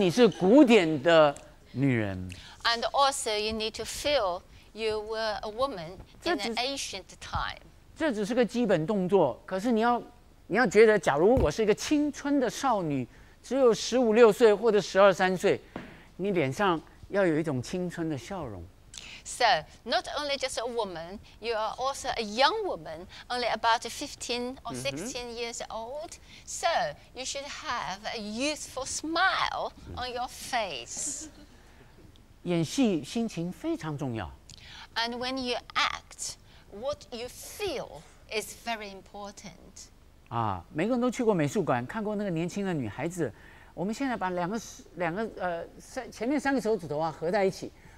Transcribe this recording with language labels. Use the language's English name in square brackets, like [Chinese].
[Chinese] 你还要觉得你是古典的女人。 [English] And also you need to feel you were a woman in an ancient time. [Chinese] 这只是个基本动作，可是你要觉得，假如我是一个青春的少女，只有十五六岁或者十二三岁，你脸上要有一种青春的笑容。 [English] So, not only just a woman, you are also a young woman, only about 15 or 16 years old. So, you should have a youthful smile on your face. [Chinese] 演戏心情非常重要。 [English] And when you act, what you feel is very important. [Chinese] 每个人都去过美术馆，看过那个年轻的女孩子。我们现在把前面三个手指头合在一起。